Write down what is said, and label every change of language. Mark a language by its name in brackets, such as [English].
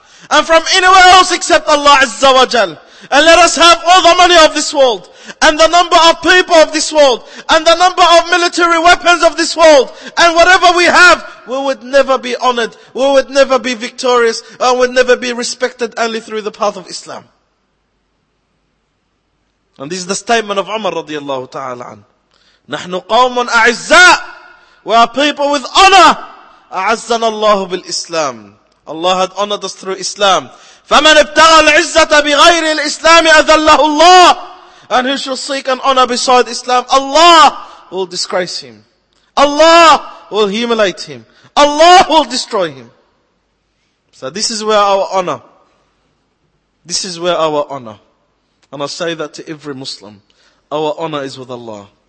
[English] And from anywhere else except Allah Azza wa Jal. And let us have all the money of this world, and the number of people of this world, and the number of military weapons of this world, and whatever we have, we would never be honored, we would never be victorious, and would never be respected only through the path of Islam. And this is the statement of Umar radiallahu ta'ala anhu. [Arabic] نحن قوم أعزاء. [English] We are people with honor. [Arabic] أعزنا الله بالإسلام. [English] Allah had honored us through Islam. [Arabic] فمن ابتغى العزة بغير الإسلام أذله الله. [English] And who shall seek an honor beside Islam, Allah will disgrace him. Allah will humiliate him. Allah will destroy him. So this is where our honor. This is where our honor. And I say that to every Muslim. Our honor is with Allah.